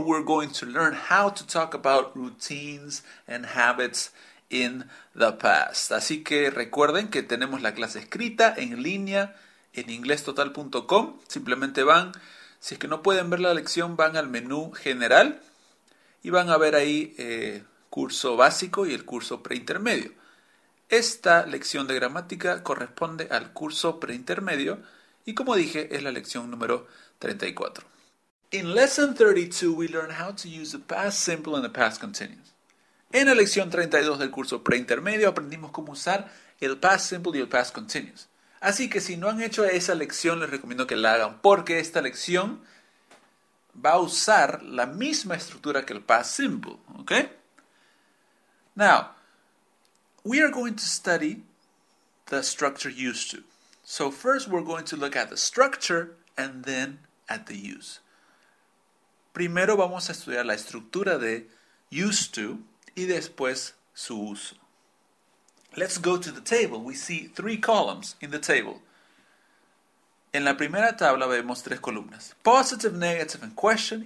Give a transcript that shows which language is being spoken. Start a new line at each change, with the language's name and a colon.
English: We're going to learn how to talk about routines and habits in the past.
Spanish: Así que recuerden que tenemos la clase escrita en línea en inglestotal.com. Simplemente van, si es que no pueden ver la lección, van al menú general y van a ver ahí curso básico y el curso preintermedio. Esta lección de gramática corresponde al curso preintermedio y, como dije, es la lección número 34.
English: In lesson 32 we learn how to use the past simple and the past continuous.
Spanish: En la lección 32 del curso preintermedio aprendimos cómo usar el past simple y el past continuous. Así que si no han hecho esa lección, les recomiendo que la hagan, porque esta lección va a usar la misma estructura que el past simple, ¿ok?
English: Now, we are going to study the structure used to. So first we're going to look at the structure and then at the use.
Spanish: Primero vamos a estudiar la estructura de used to y después su uso.
English: Let's go to the table. We see three columns in the table.
Spanish: En la primera tabla vemos tres columnas. Positive, negative, and question.